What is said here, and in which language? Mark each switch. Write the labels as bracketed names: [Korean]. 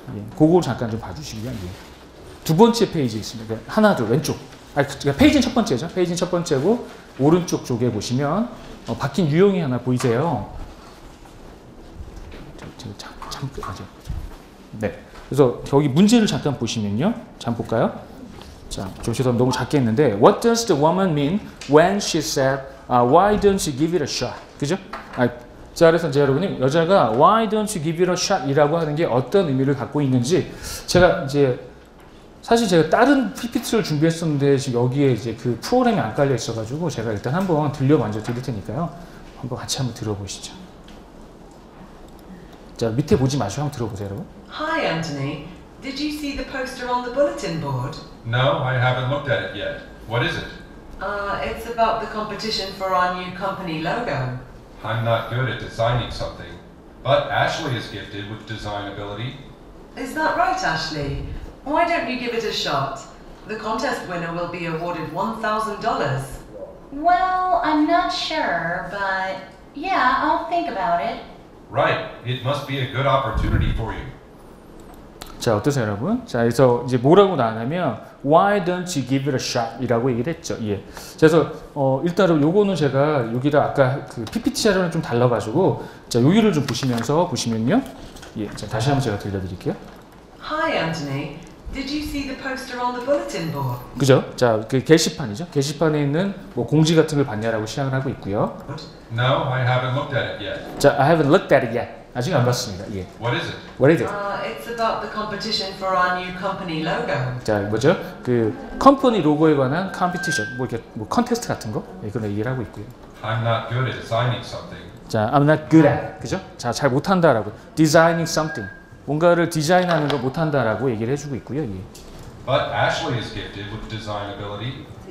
[Korean] 예, 그거 잠깐 좀 봐주시고요. 예. 두 번째 페이지 있습니다. 하나, 둘, 왼쪽. 아, 그러니까 페이지는 첫 번째죠. 페이지는 첫 번째고 오른쪽 쪽에 보시면 바뀐 유형이 하나 보이세요. 잠깐만요. 네. 그래서 여기 문제를 잠깐 보시면요. 잠깐 볼까요? 자, 좀 죄송합니다. 너무 작게 했는데 [English] What does the woman mean when she said why don't you give it a shot? [Korean] 그죠? 아, 자, 그래서 이제 여러분이 여자가 [English] why don't you give it a shot? [Korean] 이라고 하는 게 어떤 의미를 갖고 있는지 제가 이제 사실 제가 다른 PPT를 준비했었는데 지금 여기에 이제 그 프로그램이 안 깔려 있어가지고 제가 일단 한번 들려 먼저 드릴 테니까요. 한번 같이 한번 들어보시죠. 자, 밑에 보지 마시고 한번 들어보세요, 여러분. [English] Hi, Anthony. Did you see the poster on the bulletin board? No, I haven't looked at it yet. What is it? It's about the competition for our new company logo. I'm not good at designing something, but Ashley is gifted with design ability. Is that right, Ashley? Why don't you give it a shot? The contest winner will be awarded $1,000. Well, I'm not sure, but yeah, I'll think about it. Right. It must be a good opportunity for you. [Korean] 자, 어떠세요, 여러분? 자, 그래서 이제 뭐라고 나왔냐면 [English] Why don't you give it a shot? [Korean] 이라고 얘기를 했죠. 예. 그래서 일단은 요거는 제가 여기를 아까 그 PPT 자료랑 좀 달라가지고 자, 여기를 좀 보시면요. 예, 자, 다시 한번 제가 들려드릴게요. [English] Hi, Anthony. Did you see the poster on the bulletin board? [Korean] 그죠? 자, 그 게시판이죠. 게시판에 있는 뭐 공지 같은 걸 봤냐라고 시작을 하고 있고요. [English] No, I haven't looked at it yet. [Korean] 자, [English] I haven't looked at it yet. [Korean] 아직 안 봤습니다. 예. [English] What is it? What is it? It's about the competition for our new company logo. [Korean] 자, 뭐죠? 그 컴퍼니 로고에 관한 컴피티션, 뭐 이렇게 뭐 컨테스트 같은 거? 예, 그런 얘기를 하고 있고요. [English] I'm not good at designing something, [Korean] 자, [English] I'm not good at, [Korean] 그죠? 자, 잘 못한다라고. Designing something. 뭔가를 디자인하는 걸 못한다라고 얘기를 해주고 있고요. 예. [English] But Ashley is gifted with design ability.